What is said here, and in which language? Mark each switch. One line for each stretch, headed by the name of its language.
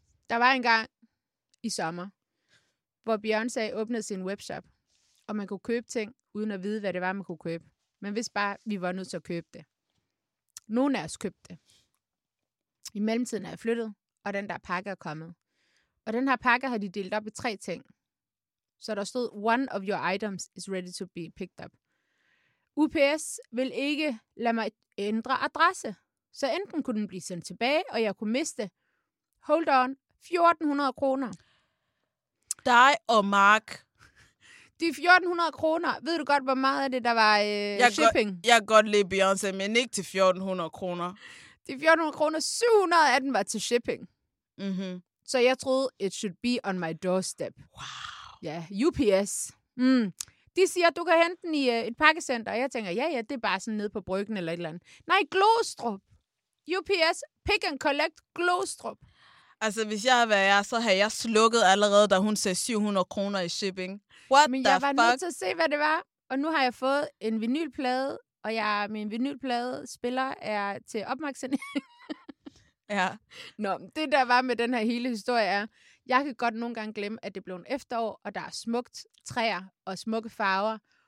Danish: Der var en gang i sommer, hvor Beyoncé åbnede sin webshop, og man kunne købe ting, uden at vide, hvad det var, man kunne købe. Man vidste bare, at vi var nødt til at købe det. Nogen af os købte det. I mellemtiden er jeg flyttet, og den der pakke er kommet. Og den her pakke har de delt op i tre ting. Så der stod,
English: one of your items is ready to be picked up.
Danish: UPS vil ikke lade mig ændre adresse. Så enten kunne den blive sendt tilbage, og jeg kunne miste,
English: hold on,
Danish: 1400 kroner. Dig og Mark. De 1400 kroner, ved du godt, hvor meget af det, der var shipping? Jeg kan godt lide Beyoncé, men ikke til 1400 kroner. De 1400 kroner, 700 af den var til shipping. Mm-hmm. Så jeg troede,
English: it should be on my doorstep. Wow.
Danish: Ja, UPS. Mm. De siger, du kan hente den i et pakkecenter. Og jeg tænker, ja, det er bare sådan nede på bryggen eller et eller andet. Nej, Glostrup. UPS, pick and collect Glostrup. Altså, hvis jeg havde været jer, så havde jeg slukket allerede, da hun sagde 700 kroner i shipping.
English: What
Danish: men
English: the fuck?
Danish: Men jeg var nødt til at se, hvad det var. Og nu har jeg fået en vinylplade, og min vinylplade spiller er til opmagasinering. Ja. Nå, det der var med den her hele historie er, jeg kan godt nogle gange glemme, at det blev en efterår, og der er smukt træer og smukke farver.